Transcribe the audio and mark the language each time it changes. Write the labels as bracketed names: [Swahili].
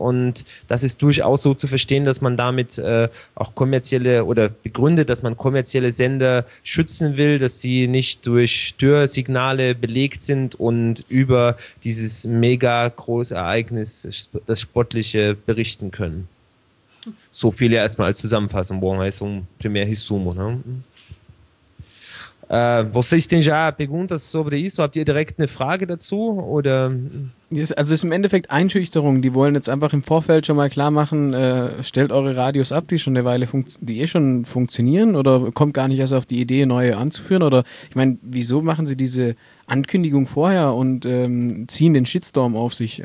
[German] Und das ist durchaus so zu verstehen, dass man damit auch kommerzielle oder begründet, dass man kommerzielle Sender schützen will, dass sie nicht durch Störsignale belegt sind und über dieses mega Großereignis das Sportliche berichten können. So viel ja erstmal als Zusammenfassung. [Portuguese] Bom, é um primeiro resumo, né? Vocês têm já perguntas sobre isso? [German] Habt ihr direkt eine Frage dazu? Oder? Also es ist im Endeffekt Einschüchterung. Die wollen jetzt einfach im Vorfeld schon mal klar machen, stellt eure Radios ab, die schon eine Weile funktionieren, oder kommt gar nicht erst auf die Idee, neue anzuführen? Oder ich meine, wieso machen sie diese Ankündigung vorher und ziehen den Shitstorm auf sich?